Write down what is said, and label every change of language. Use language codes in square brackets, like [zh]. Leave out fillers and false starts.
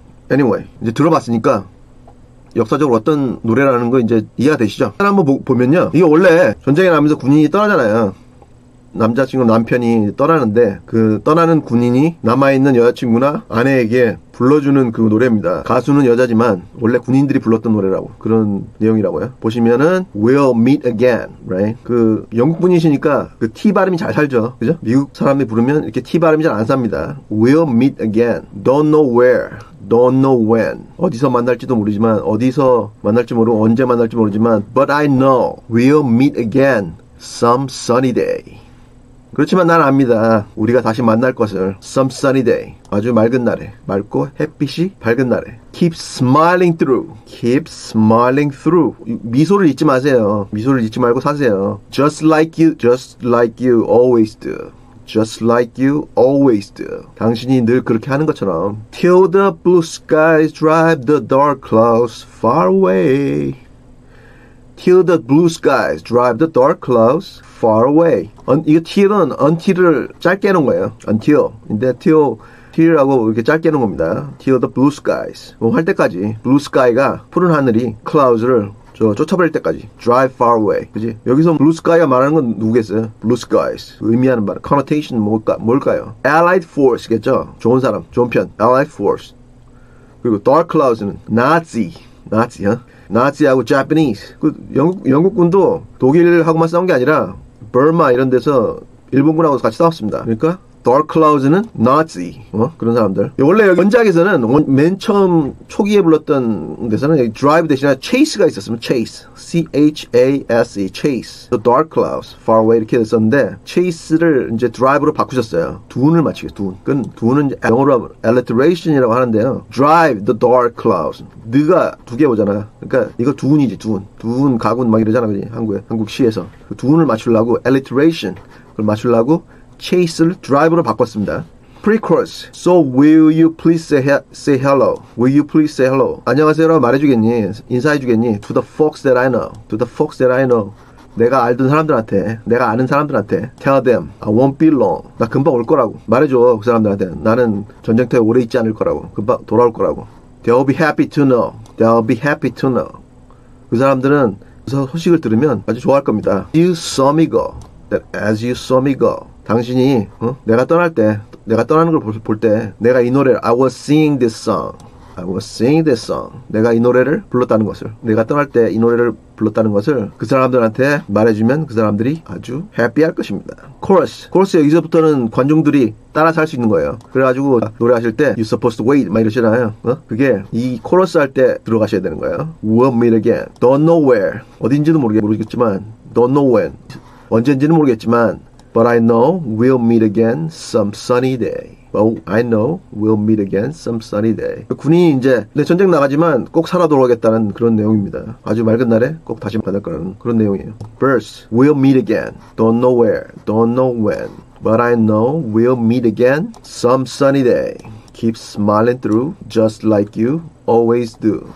[ko] Anyway, 이제 들어봤으니까 역사적으로 어떤 노래라는 거 이제 이해가 되시죠? 한번 보면요. 이게 원래 전쟁이 나면서 군인이 떠나잖아요. 남자친구 남편이 떠나는데 그 떠나는 군인이 남아있는 여자친구나 아내에게 불러주는 그 노래입니다. 가수는 여자지만 원래 군인들이 불렀던 노래라고 그런 내용이라고요. 보시면은 [en] We'll meet again, right? [ko] 그 영국분이시니까 그 T 발음이 잘 살죠, 그죠? 미국 사람이 부르면 이렇게 T 발음이 잘 안 삽니다. [en] We'll meet again. Don't know where. Don't know when. [ko] 어디서 만날지도 모르지만 어디서 만날지 모르고 언제 만날지 모르지만 [en] But I know we'll meet again some sunny day. [ko] 그렇지만 난 압니다. 우리가 다시 만날 것을. [en] Some sunny day. [ko] 아주 맑은 날에. 맑고 햇빛이 밝은 날에. [en] Keep smiling through. Keep smiling through. [ko] 미소를 잊지 마세요. 미소를 잊지 말고 사세요. [en] Just like you always do. Just like you always do. [ko] 당신이 늘 그렇게 하는 것처럼. [en] Till the blue skies drive the dark clouds far away. Till the blue skies drive the dark clouds far away. [ko] 이거 till은 until을 짧게 해놓은 거예요. [en] Until. [ko] 근데 till이라고 이렇게 짧게 해놓은 겁니다. [en] Till the blue skies. [ko] 뭐 할 때까지. Blue sky가 푸른 하늘이 clouds를 저 쫓아버릴 때까지. [en] Drive far away. [ko] 그지? 여기서 blue sky가 말하는 건 누구겠어요? [en] Blue skies. [ko] 의미하는 말. Connotation 뭘까요? Allied force겠죠? 좋은 사람. 좋은 편. Allied force. 그리고 [en] dark clouds는 Nazi. Nazi, huh? Nazi하고 Japanese. [ko] 그 영국군도 독일하고만 싸운 게 아니라 Burma 이런 데서 일본군하고 같이 싸웠습니다. 그러니까 Dark Clouds는 Nazi. 어? 그런 사람들. 원래 여기 원작에서는 맨 처음 초기에 불렀던 데서는 여기 Drive 대신에 Chase가 있었으면 Chase. [en] C-H-A-S-E. Chase. The Dark Clouds. [ko] Far Away 이렇게 됐었는데 Chase를 이제 Drive로 바꾸셨어요. 두운을 맞추게. 두운. 그건 두운은 영어로 Alliteration이라고 하는데요. [en] Drive the Dark Clouds. [ko] 네가 두 개 보잖아. 그러니까 이거 두운이지. 두운. 두운 가군 막 이러잖아. 그지? 한국에. 한국 시에서. 그 두운을 맞추려고 Alliteration. 그걸 맞추려고 Chase를 Drive로 바꿨습니다. [en] Pre-chorus. So will you please say hello? Will you please say hello? [ko] 안녕하세요라고 말해주겠니? 인사해주겠니? [en] To the folks that I know. To the folks that I know. [ko] 내가 알던 사람들한테, 내가 아는 사람들한테 [en] Tell them. I won't be long. [ko] 나 금방 올 거라고. 말해줘 그 사람들한테. 나는 전쟁터에 오래 있지 않을 거라고. 금방 돌아올 거라고. [en] They'll be happy to know. They'll be happy to know. [ko] 그 사람들은 그 소식을 들으면 아주 좋아할 겁니다. [en] You saw me go. That as you saw me go. [ko] 당신이 내가 떠날 때, 내가 떠나는 걸 볼 때 내가 이 노래를 [en] I was singing this song. I was singing this song. [ko] 내가 이 노래를 불렀다는 것을, 내가 떠날 때 이 노래를 불렀다는 것을 그 사람들한테 말해주면 그 사람들이 아주 happy할 것입니다. [en] Chorus. [ko] Chorus 여기서부터는 관중들이 따라서 할 수 있는 거예요. 그래가지고 노래하실 때 [en] You're supposed to wait [ko] 막 이러시잖아요. 어? 그게 이 코러스 할 때 들어가셔야 되는 거예요. [en] We'll meet again. Don't know where. [ko] 어딘지도 모르겠지만 [en] Don't know when. [ko] 언젠지는 모르겠지만 [en] But I know we'll meet again some sunny day. Well, I know we'll meet again some sunny day. [ko] 군인이 이제 내 전쟁 나가지만 꼭 살아 돌아오겠다는 그런 내용입니다. 아주 맑은 날에 꼭 다시 받을 거라는 그런 내용이에요. [en] Verse, we'll meet again. Don't know where, don't know when. But I know we'll meet again some sunny day. Keep smiling through just like you always do.